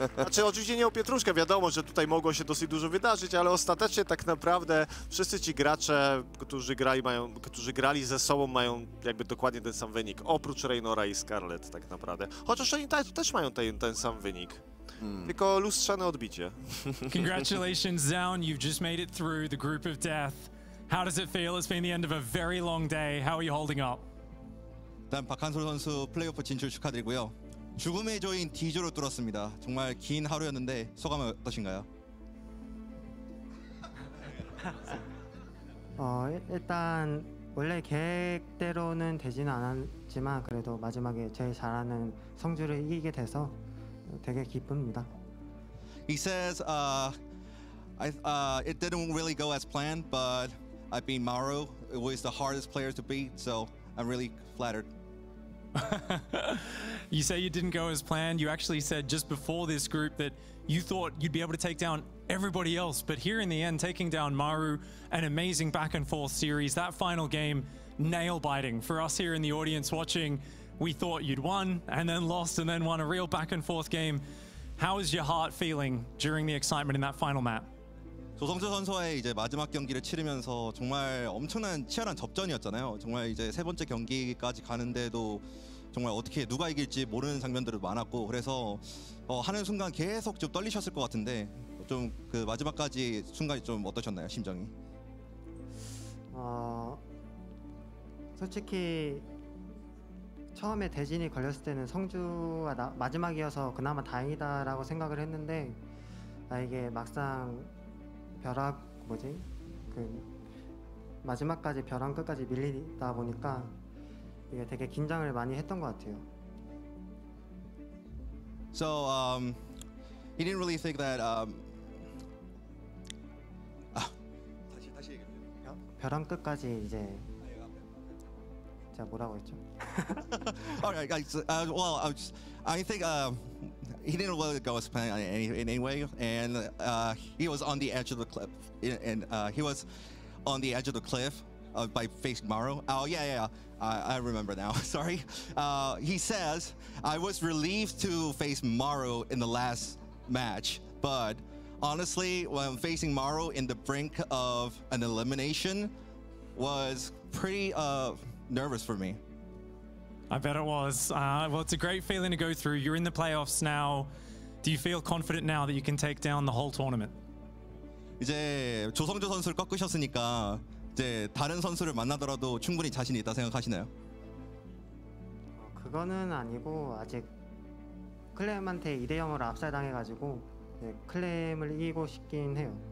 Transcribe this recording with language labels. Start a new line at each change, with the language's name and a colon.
Polish: Znaczy oczywiście nie o pietruszkę, wiadomo, że tutaj mogło się dosyć dużo wydarzyć, ale ostatecznie tak naprawdę wszyscy ci gracze, którzy grali ze sobą, mają jakby dokładnie ten sam wynik, oprócz Reynora i Scarlet tak naprawdę. Chociaż oni tak też mają ten sam wynik, tylko lustrzane odbicie.
English: Congratulations, Zaun, you've just made it through the group of death. How does it feel? It's been the end of a very long day. How are you holding up?
Korean: 난 박한솔 선수 플레이오프 진출 축하드리고요. 죽음의 조인 디조로 뚫었습니다. 정말 긴 하루였는데 소감은 어떠신가요? 어 일단 원래 계획대로는 되지는 않았지만 그래도 마지막에 제일 잘하는 성주를 이기게 돼서 되게 기쁩니다.
English: He says, it didn't really go as planned, but I beat Maru. It was the hardest player to beat, so I'm really flattered. You say it didn't go as planned. You actually said just before this group that you thought you'd be able to take down everybody else, but here in the end, taking down Maru, an amazing back and forth series, that final game, nail biting. For us here in the audience watching, we thought you'd won and then lost and then won a real back and forth game. How is your heart feeling during the excitement in that final map?
Korean: 조성주 선수와의 이제 마지막 경기를 치르면서 정말 엄청난 치열한 접전이었잖아요. 정말 이제 세 번째 경기까지 가는데도 정말 어떻게 누가 이길지 모르는 장면들도 많았고 그래서 하는 순간 계속 좀 떨리셨을 것 같은데 좀 그 마지막까지 순간이 좀 어떠셨나요, 심정이? 솔직히 처음에 대진이 걸렸을 때는 성주가 마지막이어서 그나마 다행이다라고 생각을 했는데 이게 막상 벼락 뭐지 그 마지막까지 벼랑 끝까지 밀리다 보니까 이게 되게 긴장을 많이 했던 것 같아요.
English: So he didn't really think that
Korean: 다시 얘기해요. 벼랑 끝까지 이제 자 뭐라고 했죠?
English: Alright, well, I think he didn't really go as planned in any way, and he was on the edge of the cliff, and he was on the edge of the cliff by facing Maru. Oh yeah, I remember now. Sorry. He says I was relieved to face Maru in the last match, but honestly, when facing Maru in the brink of an elimination, was pretty nervous for me. I bet it was. Well, it's a great feeling to go through. You're in the playoffs now. Do you feel confident now that you can take down the whole tournament?
Korean: 이제 조성주 선수를 꺾으셨으니까 이제 다른 선수를 만나더라도 충분히 자신이 있다 생각하시나요? 그거는 아니고 아직 클램한테 2대0으로 압살당해가지고 클램을 이기고 싶긴 해요.